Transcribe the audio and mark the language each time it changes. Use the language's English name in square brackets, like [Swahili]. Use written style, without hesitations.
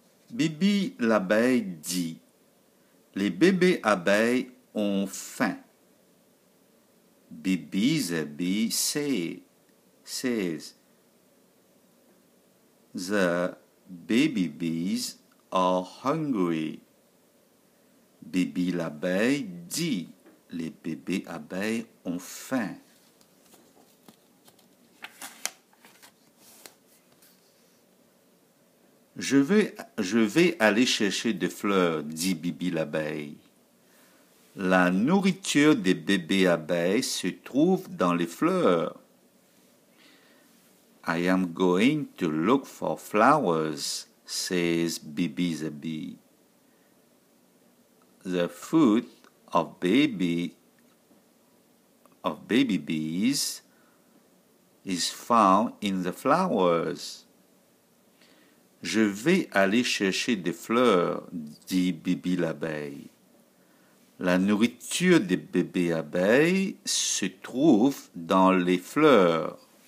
[French] Bibi l'abeille dit, les bébés abeilles ont faim. [English] Bibi Zabi says, the baby bees are hungry. [French] Bibi l'abeille dit, les bébés abeilles ont faim. Je vais aller chercher des fleurs, dit Bibi l'abeille. La nourriture des bébés abeilles se trouve dans les fleurs. [English] I am going to look for flowers, says Bibi the bee. The food of baby bees is found in the flowers. [French] Je vais aller chercher des fleurs, dit Bibi l'abeille. La nourriture des bébés abeilles se trouve dans les fleurs.